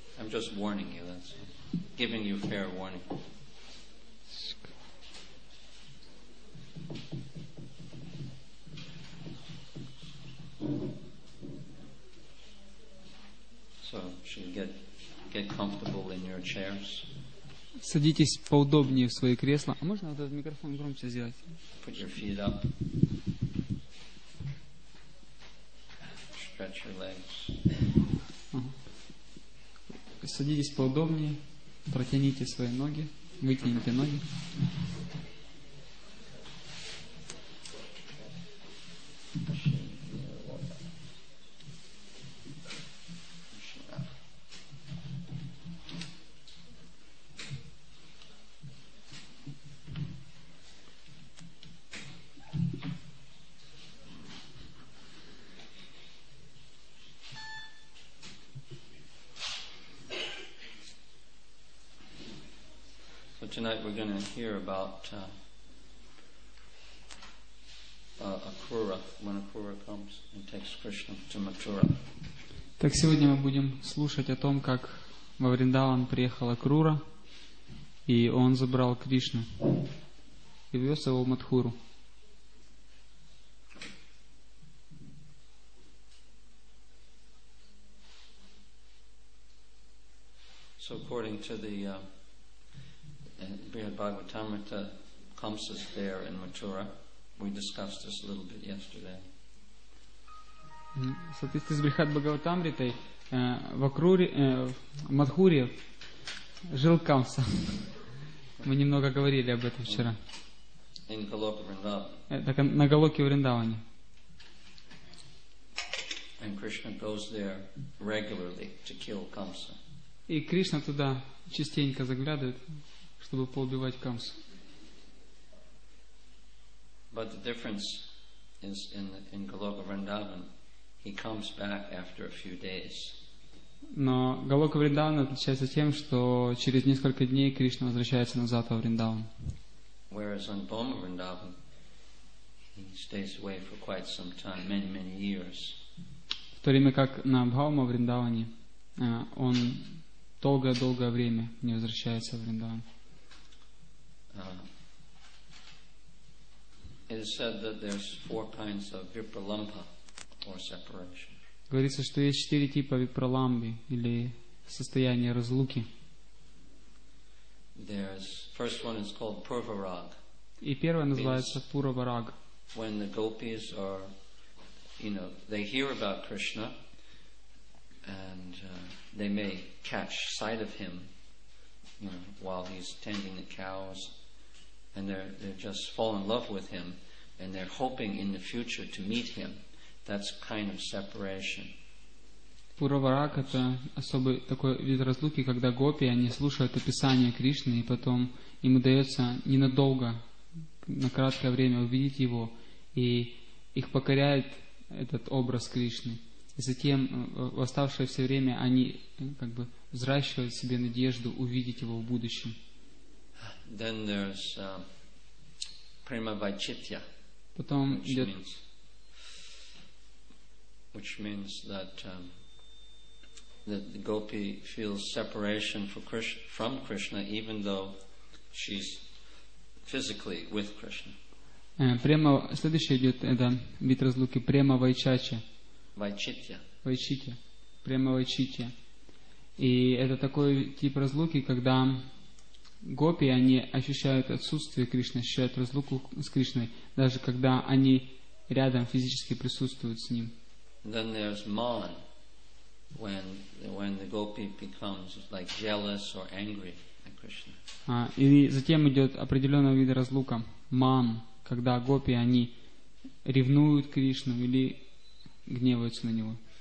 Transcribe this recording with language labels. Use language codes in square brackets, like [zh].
[en] Just warning you, that's giving you fair warning. So should you get comfortable in your chairs? [ru] Садитесь поудобнее в свои кресла. А можно этот микрофон громче сделать? [en] Put your feet up. Stretch your legs. [ru] Садитесь поудобнее, протяните свои ноги, вытяните ноги. [en] Tonight we're going to hear about Akura, when Akura comes and takes Krishna to Mathura. [ru] Так сегодня мы будем слушать о том, как во Вриндаван приехала Акура, и он забрал Кришну и вез его в Матхуру. [en] So according to the Brihad Bhagavatamrita, Kamsa's there in Mathura. We discussed this a little bit yesterday. So this is Brihad Bhagavatamrita. [ru] В Акруре, в Матхуре жил Камса. Мы немного говорили об этом вчера. [en] In Галоке Вриндаване. [ru] Так на Галоке Вриндаване. [en] And Krishna goes there regularly to kill Kamsa. [ru] И Кришна туда частенько заглядывает, чтобы поубивать Камсу. [en] But the difference is in Галока Вриндаван, he comes back after a few days. [ru] Но Галока Вриндаван отличается тем, что через несколько дней Кришна возвращается назад во Вриндаван. [en] Whereas on Бома Вриндаван, he stays away for quite some time, many many years. [ru] В то время как на Бхаума Вриндаване он долгое-долгое время не возвращается в Вриндаван. [en] It is said that there's four kinds of vipralamba or separation. [ru] Говорится, что есть четыре типа випраламбы или состояния разлуки. [en] There's first one is called purvarag. [ru] И первое называется пурвараг. [en] When the gopis are, you know, they hear about Krishna and they may catch sight of him, you know, while he's tending the cows. And they're just fall in love with him, and they're hoping in the future to meet him. That's kind of separation. [ru] Пурварак — это особый такой вид разлуки, когда гопи, они слушают описание Кришны, и потом им удается ненадолго на краткое время увидеть его, и их покоряет этот образ Кришны. И затем в оставшееся время они как бы взращивают в себе надежду увидеть его в будущем. [en] Then there's prema vaichitya, [ru] потом [en] which [ru] идет... [en] means, which means that, that the gopi feels separation for Krishna, from Krishna, even though she's physically with Krishna. [ru] Према, следующее идет это вид разлуки према вайчача. Вайчитья. Вайчитья. Према вайчитья. И это такой тип разлуки, когда гопи, они ощущают отсутствие Кришны, ощущают разлуку с Кришной, даже когда они рядом физически присутствуют с Ним. [en] Then there's man, when the gopi becomes like jealous or angry at Krishna. [ru] И затем идет определенного вида разлука. Ман. Когда гопи, они ревнуют Кришну или гневаются на Него.